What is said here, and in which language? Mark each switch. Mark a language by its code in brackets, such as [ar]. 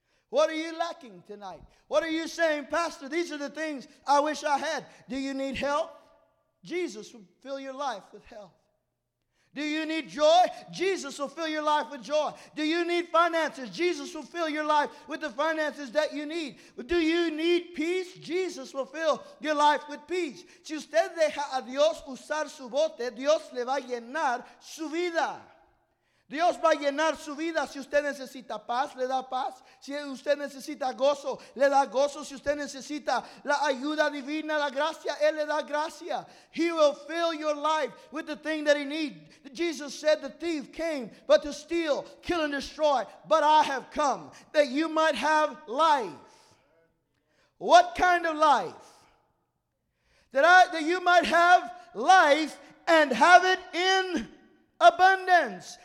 [en] What are you lacking tonight? What are you saying, Pastor, these are the things I wish I had. Do you need health? Jesus will fill your life with health. Do you need joy? Jesus will fill your life with joy. Do you need finances? Jesus will fill your life with the finances that you need. Do you need peace? Jesus will fill your life with peace. [es] Si usted deja a Dios usar su bote, Dios le va a llenar su vida. Dios va a llenar su vida. Si usted necesita paz, le da paz. Si usted necesita gozo, le da gozo. Si usted necesita la ayuda divina, la gracia, él le da gracia. [en] He will fill your life with the thing that he needs. Jesus said the thief came but to steal, kill, and destroy. But I have come that you might have life. What kind of life? That you might have life and have it in abundance.